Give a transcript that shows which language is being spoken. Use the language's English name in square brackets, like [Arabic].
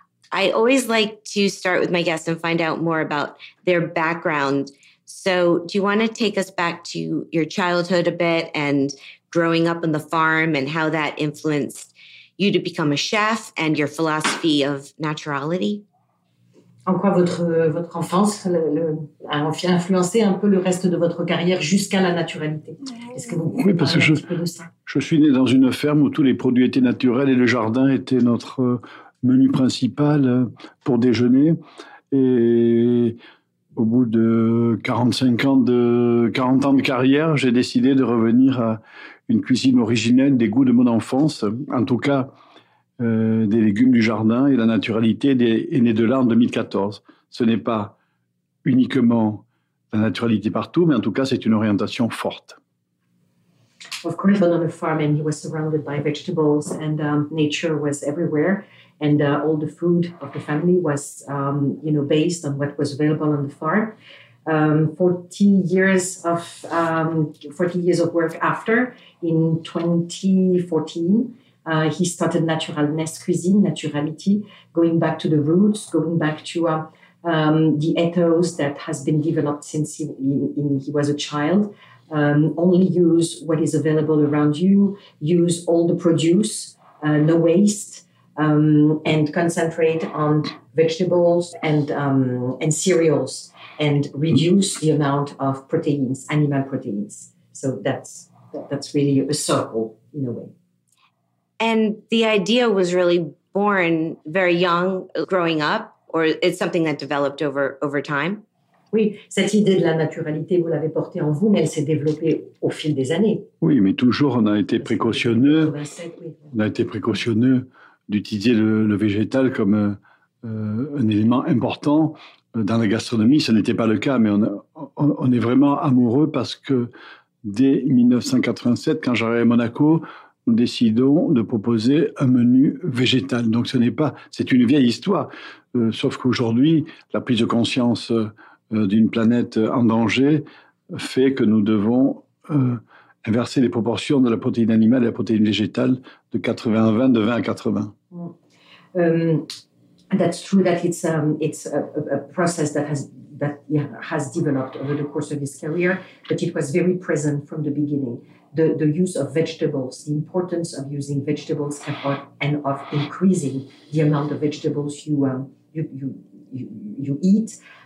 [English] I always like to start with my guests and find out more about their background. So do you want to take us back to your childhood a bit and growing up on the farm and how that influenced you to become a chef and your philosophy of naturality? [French] En quoi votre enfance a influencé un peu le reste de votre carrière jusqu'à la naturalité? Est-ce que vous pouvez parler un petit peu de ça? Je suis né dans une ferme où tous les produits étaient naturels et le jardin était notre menu principal pour déjeuner. Et au bout de 40 ans de carrière, j'ai décidé de revenir à une cuisine originelle des goûts de mon enfance, en tout cas des légumes du jardin, et la naturalité est née de là en 2014. Ce n'est pas uniquement la naturalité partout, mais en tout cas, c'est une orientation forte. [English] Of course, but on the farm, and he was surrounded by vegetables, and nature was everywhere. And all the food of the family was, you know, based on what was available on the farm. 40 years of work after, in 2014, he started Naturalness Cuisine, Naturality, going back to the roots, going back to the ethos that has been developed since he was a child. Only use what is available around you, use all the produce, no waste, and concentrate on vegetables and cereals, and reduce the amount of proteins, animal proteins. So that's really a circle in a way. And the idea was really born very young, growing up, or it's something that developed over time? [French] Oui, cette idée de la naturalité, vous l'avez portée en vous, mais elle s'est développée au fil des années. Oui, mais toujours, on a été précautionneux. On a été précautionneux d'utiliser le végétal comme un élément important dans la gastronomie. Ce n'était pas le cas, mais on est vraiment amoureux parce que dès 1987, quand j'arrive à Monaco, nous décidons de proposer un menu végétal. Donc, c'est une vieille histoire. Sauf qu'aujourd'hui, la prise de conscience d'une planète en danger fait que nous devons inverser les proportions de la protéine animale et la protéine végétale de 80 à 20, de 20 à 80. [English] That's true that it's a process that has developed over the course of his career, but it was very present from the beginning. The use of vegetables, the importance of using vegetables and of increasing the amount of vegetables you eat.